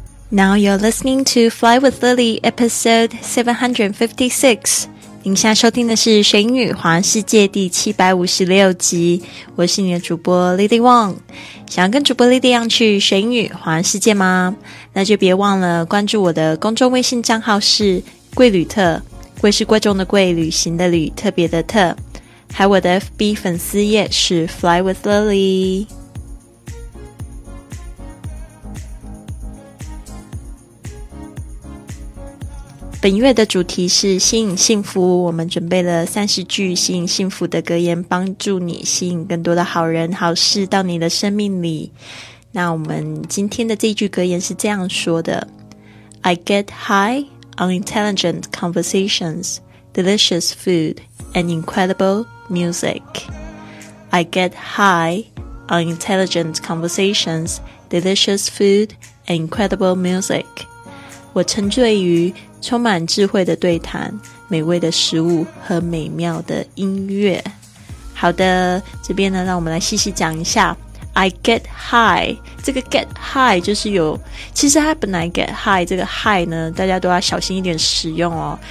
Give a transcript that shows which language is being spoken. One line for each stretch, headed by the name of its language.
English: Now you're listening to Fly with Lily, episode 756.
Chinese: 您现在收听的是学英语环世界第756集，我是你的主播 Lily Wong。想要跟主播 Lily 一样去学英语环世界吗？那就别忘了关注我的公众微信账号，是贵旅特，贵是贵重的贵，旅行的旅，特别的特，还有我的 FB 粉丝页是 Fly with Lily。本月的主题是吸引幸福，我们准备了30句吸引幸福的格言，帮助你吸引更多的好人好事到你的生命里。那我们今天的这一句格言是这样说的，
English: I get high on intelligent conversations, delicious food, and incredible music. I get high on intelligent conversations, delicious food, and incredible music.
Chinese: 我沉醉于充满智慧的对谈，美味的食物和美妙的音乐。好的，这边呢，让我们来细细讲一下。
English: I get high，
Chinese: 这个 get high 就是有，其实它本来 get high 这个 high 呢，大家都要小心一点使用哦。